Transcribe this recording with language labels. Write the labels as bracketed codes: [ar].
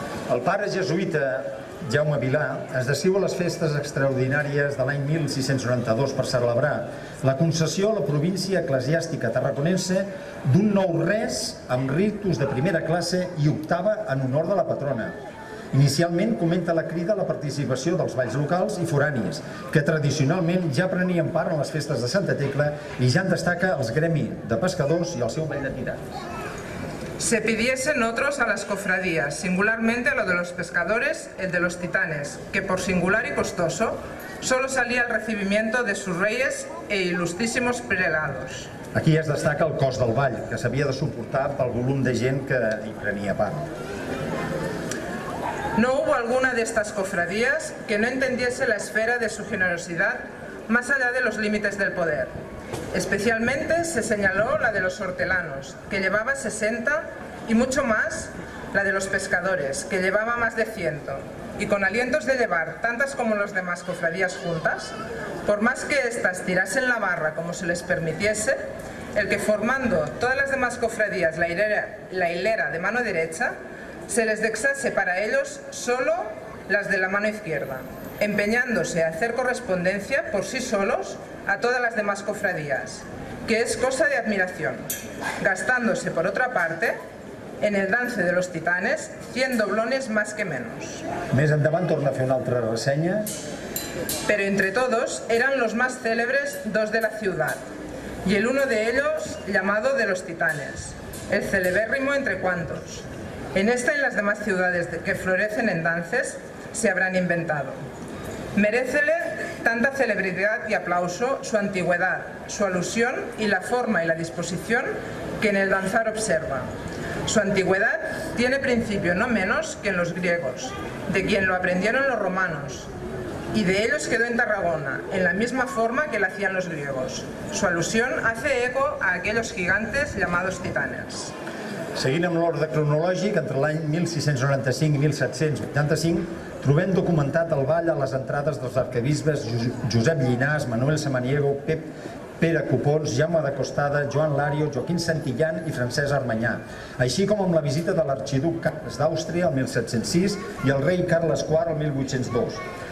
[ca] El pare jesuïta Jaume Vilà es desciu a les festes extraordinàries de l'any 1692 per celebrar la concessió a la província eclesiàstica tarraconense d'un nou res amb ritus de primera classe i octava en honor de la patrona. Inicialment comenta la crida a la participació dels balls locals i foranis, que tradicionalment ja prenien part en les festes de Santa Tecla i ja en destaca els gremi de pescadors i el seu ball de tirants. [es] Se pidiesen otros a las cofradías, singularmente a lo de los pescadores, el de los titanes, que por singular y costoso, solo salía al recibimiento de sus reyes e ilustísimos prelados. [ca] Aquí es destaca el cost del ball, que s'havia de suportar pel volum de gent que hi prenia part. [es] No hubo alguna de estas cofradías que no entendiese la esfera de su generosidad más allá de los límites del poder. Especialmente se señaló la de los hortelanos, que llevaba 60, y mucho más la de los pescadores, que llevaba más de 100. Y con alientos de llevar tantas como las demás cofradías juntas, por más que éstas tirasen la barra como se les permitiese, el que formando todas las demás cofradías la hilera de mano derecha, se les dexase para ellos solo las de la mano izquierda, empeñándose a hacer correspondencia por sí solos a todas las demás cofradías, que es cosa de admiración, gastándose por otra parte en el dance de los titanes 100 doblones más que menos. [ca] Més endavant torna a fer una altra ressenya. [es] Pero entre todos eran los más célebres dos de la ciudad, y el uno de ellos llamado de los titanes, el celebérrimo entre cuantos. En esta y en las demás ciudades que florecen en dances se habrán inventado. Merécele tanta celebridad y aplauso su antigüedad, su alusión y la forma y la disposición que en el danzar observa. Su antigüedad tiene principio no menos que en los griegos, de quien lo aprendieron los romanos, y de ellos quedó en Tarragona, en la misma forma que la hacían los griegos. Su alusión hace eco a aquellos gigantes llamados titanes. [ca] Seguint amb l'ordre cronològic, entre l'any 1695 i 1785, trobem documentat el ball a les entrades dels arquebisbes Josep Llinàs, Manuel Samaniego, Pep Pere Copons, Jaume de Costada, Joan Lario, Joaquim Santillán i Francesc Armanyà, així com amb la visita de l'arxiduc Carles d'Àustria el 1706 i el rei Carles IV el 1802.